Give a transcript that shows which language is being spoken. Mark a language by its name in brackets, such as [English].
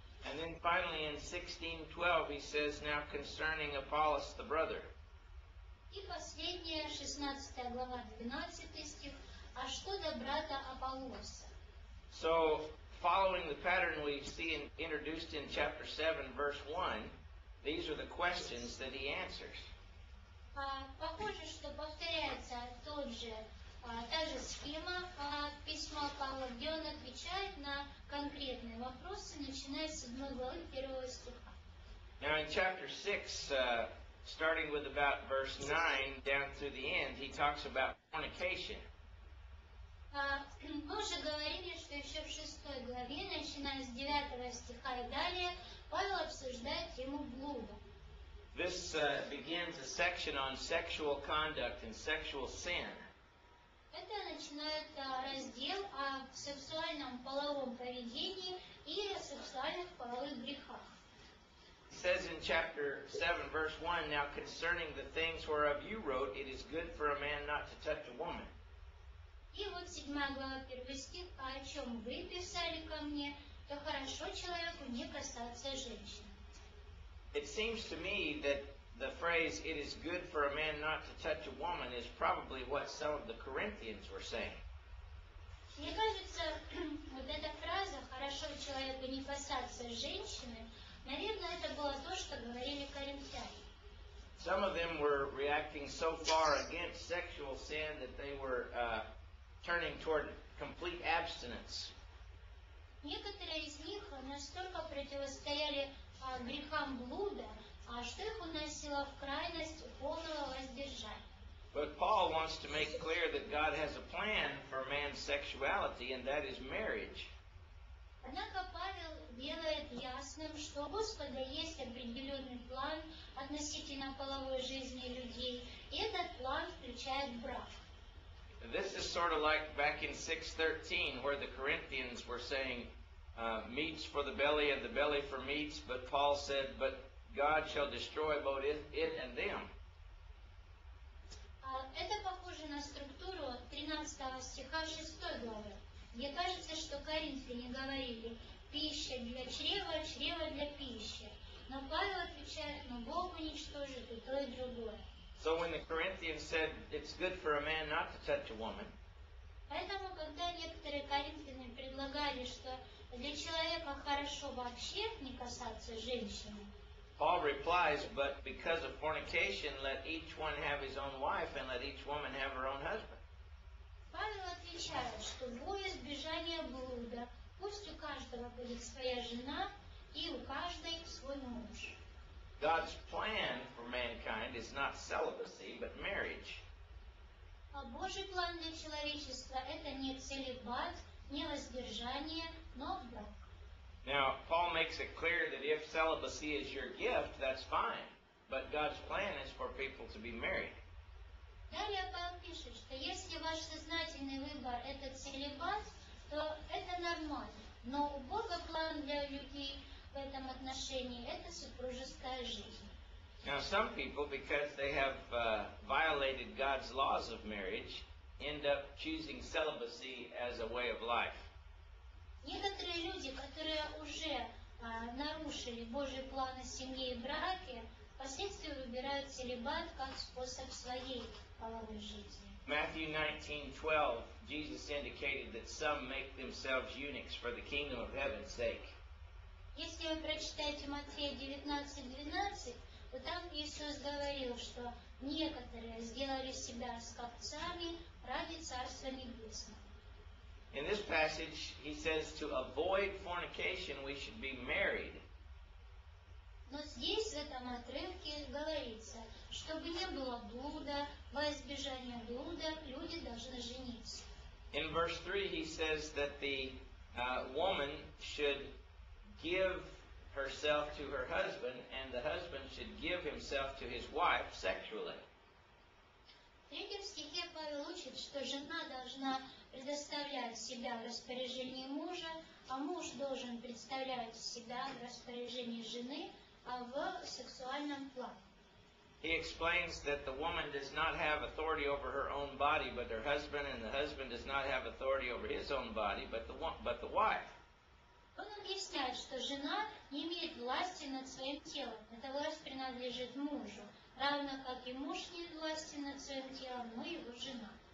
[English] And then finally in 16:12 he says, now concerning Apollos the brother. [Russian] И последняя, 16 глава, 12 стих, а что до брата Аполлоса? [English] So, following the pattern we see introduced in chapter 7, verse 1, these are the questions that he answers. [Russian] Похоже, что повторяется тот же та же схема письма Павла, где он отвечает на конкретные вопросы, начиная с 7 главы 1 стиха. [English] Now in chapter 6, starting with about verse 9 down to the end, he talks about fornication. [Russian] Мы уже говорили, что еще в 6 главе, начиная с 9 стиха и далее, Павел обсуждает тему блуда. [English] This begins a section on sexual conduct and sexual sin. [Russian] Это начинает раздел о сексуальном половом поведении и о сексуальных половых грехах. [English] It says in chapter 7, verse 1, now concerning the things whereof you wrote, it is good for a man not to touch a woman. [Russian] И вот 7 глава 1 стих, о чем вы писали ко мне, то хорошо человеку не касаться женщин. [English] It seems to me that the phrase, it is good for a man not to touch a woman, is probably what some of the Corinthians were saying. [Russian] Мне кажется, вот эта фраза, хорошо человеку не касаться женщины, наверное, это было то, что говорили коринфяне. [English] Some of them were reacting so far against sexual sin that they were turning toward complete abstinence. [Russian] Некоторые из них настолько противостояли грехам блуда, а что их уносило в крайность полного воздержания? [English] But Paul wants to make clear that God has a plan for man's sexuality, and that is marriage. [Russian] Однако Павел делает ясным, что у Господа есть определенный план относительно половой жизни людей, и этот план включает брак. [English] This is sort of like back in 6:13, where the Corinthians were saying, meats for the belly and the belly for meats, but Paul said, but God shall destroy both it and them. [Russian] Это похоже на структуру 13 стиха 6 главы. Мне кажется, что коринфяне говорили, пища для чрева, чрева для пищи. Но Павел отвечает, но Бог уничтожит и то, и другое. [English] So when the Corinthians said, it's good for a man not to touch a woman, [Russian] поэтому, когда некоторые коринфяне предлагали, что для человека хорошо вообще не касаться женщины, [English] Paul replies, but because of fornication, let each one have his own wife and let each woman have her own husband. [Russian] Павел отвечает, что во избежание блуда, пусть у каждого будет своя жена и у каждой свой муж. [English] God's plan for mankind is not celibacy, but marriage. [Russian] А Божий план для человечества это не целибат, не воздержание, но брак. [English] Now, Paul makes it clear that if celibacy is your gift, that's fine. But God's plan is for people to be married. [Russian] Далее Павел пишет, что если ваш сознательный выбор – это целибат, то это нормально. Но у Бога план для людей в этом отношении – это супружеская жизнь. [English] Now, some people, because they have violated God's laws of marriage, end up choosing celibacy as a way of life. [Russian] Некоторые люди, которые уже нарушили Божьи планы семьи и браке, впоследствии выбирают целибат как способ своей половой жизни. [English] Matthew 19:12, Jesus indicated that some make themselves eunuchs for the kingdom of heaven's sake. [Russian] Если вы прочитаете Матфея 19:12, то там Иисус говорил, что некоторые сделали себя скотцами ради Царства Небесного. [English] In this passage, he says to avoid fornication, we should be married. [Russian] Но здесь, в этом отрывке, говорится, чтобы не было блуда, во избежание блуда, люди должны жениться. [English] In verse 3, he says that the woman should give herself to her husband, and the husband should give himself to his wife sexually. [Russian] В третьем стихе Павел учит, что жена должна предоставлять себя в распоряжении мужа, а муж должен представлять себя в распоряжении жены, а в сексуальном плане. [English] He explains that the woman does not have authority over her own body, but her husband, and the husband does not have authority over his own body, but the wife. [Russian] Он объясняет, что жена не имеет власти над своим телом. Эта власть принадлежит мужу, равно как и муж не имеет власти над своим телом, но его жена.